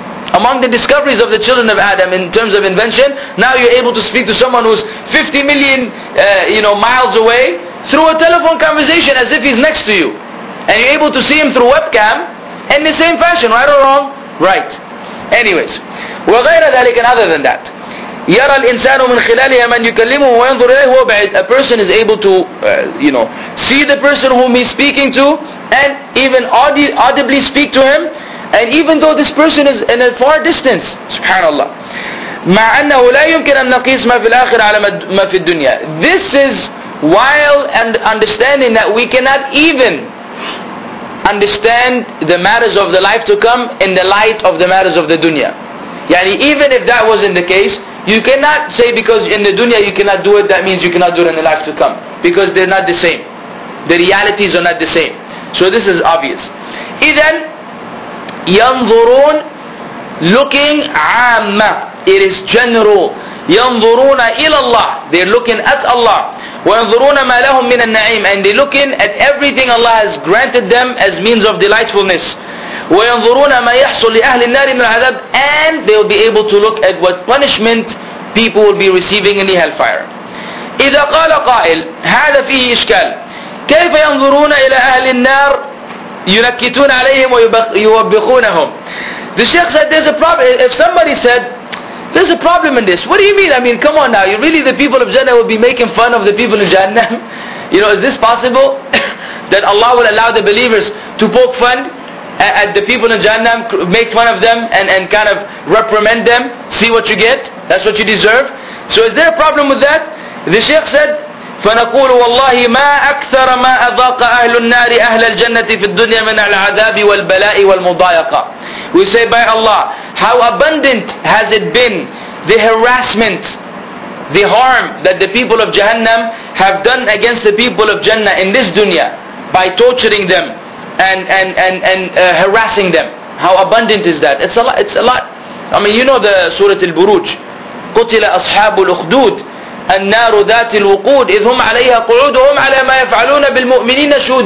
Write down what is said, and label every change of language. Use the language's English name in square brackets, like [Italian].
[English] Among the discoveries of the children of Adam in terms of invention, now you're able to speak to someone who's 50 million miles away through a telephone conversation as if he's next to you. And you're able to see him through webcam in the same fashion, right or wrong? Right. Anyways, [Arabic] وغير ذلك, [English] and other than that, [Arabic] يرى الإنسان من خلالها من يكلمه وينظر إليه وبعد. [English] A person is able to see the person whom he's speaking to, and even audibly speak to him. And even though this person is in a far distance, subhanAllah. [Arabic] مع أنه لا يمكن أن نقيس ما في الآخر على ما في الدنيا. [English] This is while and understanding that we cannot even understand the matters of the life to come in the light of the matters of the dunya. يعني even if that wasn't the case, you cannot say because in the dunya you cannot do it, that means you cannot do it in the life to come. Because they're not the same. The realities are not the same. So this is obvious. [Arabic] إذن ينظرون, [English] looking [Arabic] عامة, [English] it is general. [Arabic] ينظرون إلى الله, [English] they're looking at Allah. [Arabic] وينظرون ما لهم من النعيم, [English] and they're looking at everything Allah has granted them as means of delightfulness. [Arabic] وينظرون ما يحصل لأهل النار من العذاب, [English] and they'll be able to look at what punishment people will be receiving in the hellfire. [Arabic] إذا قال قائل, هذا فيه إشكال, كيف ينظرون إلى أهل النار ينكتون عليهم ويوبخونهم. [English] The Sheikh said there's a problem. If somebody said there's a problem in this, what do you mean? Come on now, really the people of Jannah will be making fun of the people in Jahannam? Is this possible that Allah will allow the believers to poke fun at the people in Jahannam, make fun of them and kind of reprimand them? See what you get, that's what you deserve. So is there a problem with that? The Sheikh said, [Arabic] فَنَقُولُ وَاللَّهِ مَا أَكْثَرَ مَا أَذَاقَ أَهْلُ النَّارِ أَهْلَ الْجَنَّةِ فِي الدُّنْيَا مِنَ الْعَذَابِ وَالْبَلَاءِ وَالْمُضَايَقَةِ. [English] We say, by Allah, how abundant has it been, the harassment, the harm that the people of Jahannam have done against the people of Jannah in this dunya by torturing them and harassing them. How abundant is that? It's a lot. It's a lot. The Surah Al-Buruj. [Arabic] قُتِلَ أَصْحَابُ الْأُخْدُودِ النار ذات الوقود إذ هم عليها قعود وهم على ما يفعلون بالمؤمنين شهود.